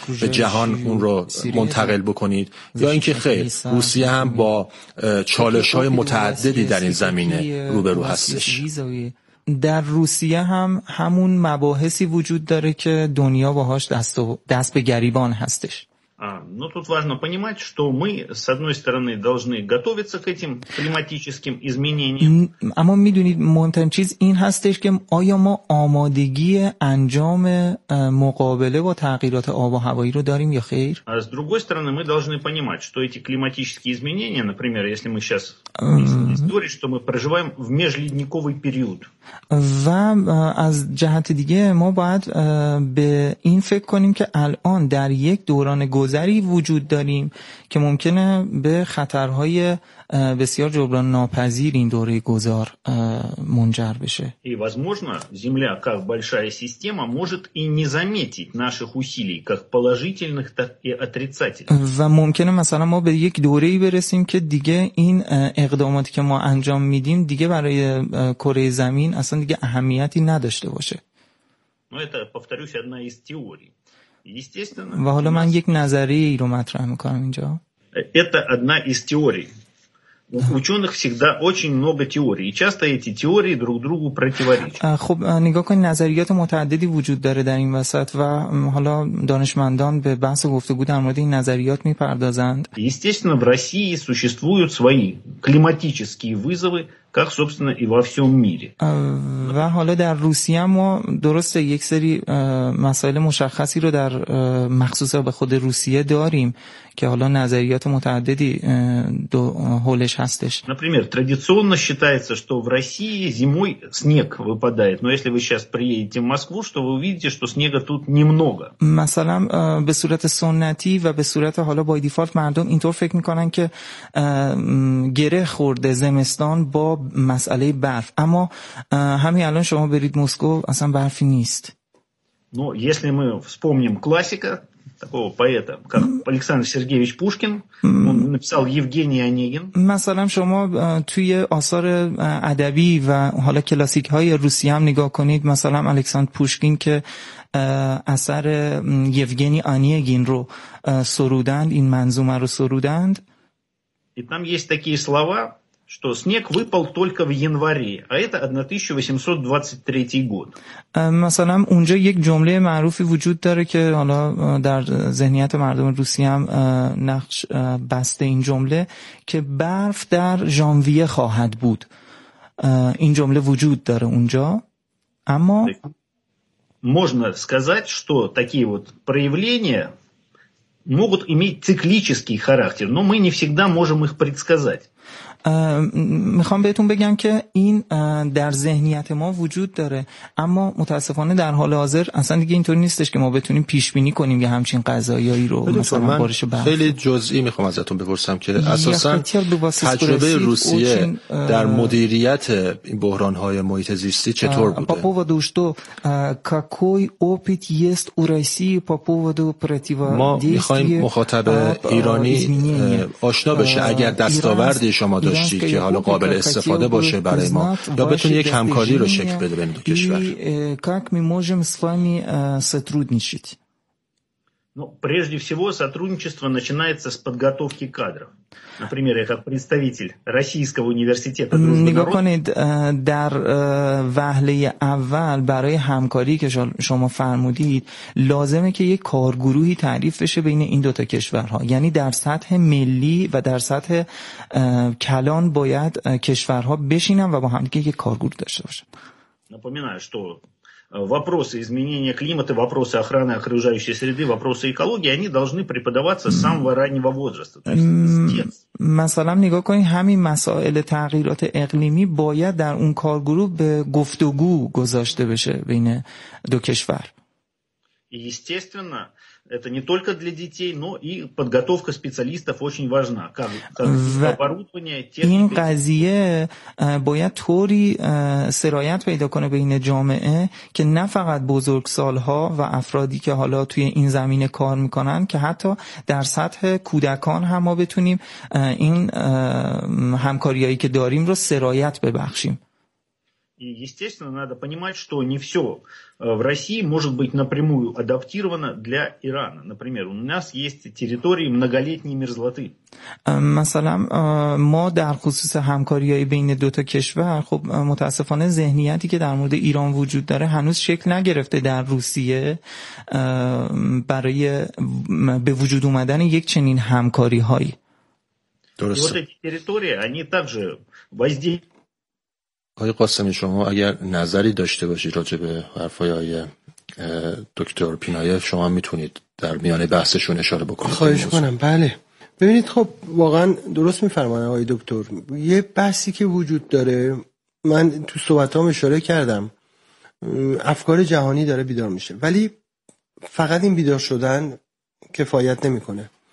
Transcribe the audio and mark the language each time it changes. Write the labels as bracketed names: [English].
[Persian] به جهان اون رو منتقل بکنید؟ یا اینکه خیر روسیه هم با چالش‌های متعددی در این زمینه روبرو هستش؟ در روسیه هم همون مباحثی وجود داره که دنیا باهاش دست به گریبان هستش. [Russian] Ну тут важно понимать, что мы с одной стороны должны готовиться к этим климатическим изменениям. [Persian] اما میدونید مهمترین چیز این هستش که آیا ما آمادگی انجام مقابله با تغییرات آب و هوایی رو داریم یا خیر؟ [Russian] А с другой стороны мы должны понимать, что эти климатические изменения, например, если мы сейчас говорим, что мы проживаем в межледниковый период. [Persian] و از جهت دیگه ما باید به این فکر کنیم که الان در یک دوران گذری وجود داریم که ممکنه به خطرهای بسیار جبران ناپذیر این دوره گذار منجر بشه. [Russian] И возможно, земля как большая система может и не заметить наших усилий как положительных, так и отрицательных. [Persian] و ممکنه مثلا ما به یک دوره‌ای برسیم که دیگه این اقداماتی که ما انجام میدیم دیگه برای کره زمین اصلا دیگه اهمیتی نداشته باشه. [Russian] Но это, повторюсь, одна из теорий. Естественно. [Persian] و حالا من یک نظریه‌ای رو مطرح می‌کنم اینجا. [Russian] Это одна из теорий. У ученых всегда очень много теорий, и часто эти теории друг другу противоречат. [Persian] خب نگاه کن، نظریات متعددی وجود داره در این وسط و حالا دانشمندان به بحث گفتگو در مورد این نظریات می‌پردازند. [Russian] Естественно, в России существуют свои климатические вызовы, как собственно и во всём мире. [Persian] و حالا در روسیه ما درسته یک سری مسائل مشخصی رو در مخصوص به خود روسیه داریم که حالا نظریات متعددی دو حولش هستش. [Russian] Например, традиционно считается, что в России зимой снег выпадает. Но если вы сейчас приедете в Москву, что вы увидите, что снега тут немного. [Persian] مثلا به صورت سنتی و به صورت حالا با دیفالت مردم اینطور فکر میکنن که گره خورده زمستان با مسئله برف، اما همین الان شما برید مسکو اصلا برفی نیست. [Russian] Но если мы вспомним классика, такого поэта, как Александр Сергеевич Пушкин. Он написал Евгений Онегин. [Persian] مثلا شما توی آثار ادبی و حالا کلاسیک‌های روسی هم نگاه کنید، مثلا الکساندر پوشکین که اثر یوگنی آنیگین رو سرودند، این منظومه رو سرودند. [Russian] И там есть такие слова, что снег выпал только в январе, а это 1823 год. [Persian] مثلا اونجا یک جمله معروفی وجود داره که حالا در ذهنیت مردم روسی هم نقش بسته، این جمله که برف در ژانویه خواهد بود. این جمله وجود داره اونجا. اما [Russian] можно сказать, что такие вот проявления могут иметь циклический характер, но мы не всегда можем их предсказать. [Persian] میخوام بهتون بگم که این در ذهنیت ما وجود داره، اما متاسفانه در حال حاضر اصلا دیگه اینطور نیستش که ما بتونیم پیش بینی کنیم یه همچین قضایایی رو. مثلا من بارش برف، خیلی جزئی میخوام ازتون بپرسم که اساسا تجربه روسیه در مدیریت این بحران‌های محیط زیستی چطور بوده؟ [Russian] پاپو ودو شتو کاکوی اوپیت یست او رسی پاپو ودو پرتیوا [Persian] ما میخوایم مخاطب ایرانی آشنا بشه، اگر دستاوردی شما داشتی که حالا قابل استفاده باشه برای ما، یا بتونی یک همکاری رو شکل بده بین دو کشور. [Russian] Как мы можем с вами сотрудничать? Ну, прежде всего, сотрудничество начинается с подготовки кадров. Например, я как представитель Российского университета дружбы народ... [Persian] در وهله اول برای همکاری که شما فرمودید لازمه که یک کارگروهی تعریف بشه بین این دوتا کشورها، یعنی در سطح ملی و در سطح کلان باید کشورها بشینن و با هم دیگه یک کارگروه داشته باشن. [Russian] Напоминаю, что вопросы изменения климата, вопросы охраны окружающей среды, вопросы экологии, они должны преподаваться с самого раннего возраста. [Persian] مثلا نگاه کنید، همین مسائل تغییرات اقلیمی باید در اون کارگروه به گفتگو گذاشته بشه بین دو کشور. [Russian] Естественно, это не только для детей, но и подготовка специалистов очень важна. Как оборудование, техника. [Persian] این قضیه باید طوری سرایت پیدا کنه بین جامعه که نه فقط بزرگسال‌ها و افرادی که حالا توی این زمینه کار می‌کنن، که حتی در سطح کودکان هم ما بتونیم این همکاریایی که داریم رو سرایت ببخشیم. [Russian] И естественно, надо понимать, что не все в России может быть напрямую адаптировано для Ирана. Например, у нас есть территории многолетней мерзлоты. [Persian] مثلا ما در خصوص همکاری‌های بین دو تا کشور، خب متأسفانه ذهنیتی که در مورد ایران وجود داره هنوز شکل نگرفته در روسیه برای به وجود اومدن یک چنین همکاری‌هایی. درست. [Russian] Вот эти территории, они также воздействуют. [Persian] آقای قاسمی، شما اگر نظری داشته باشید راجع به حرفای آقای دکتر پینایف، شما میتونید در میان بحثشون اشاره بکنید. خواهش کنم. بله، ببینید، خب واقعا درست میفرمان آقای دکتر. یه بحثی که وجود داره، من تو صحبتام اشاره کردم، افکار جهانی داره بیدار میشه، ولی فقط این بیدار شدن کفایت نمیکنه.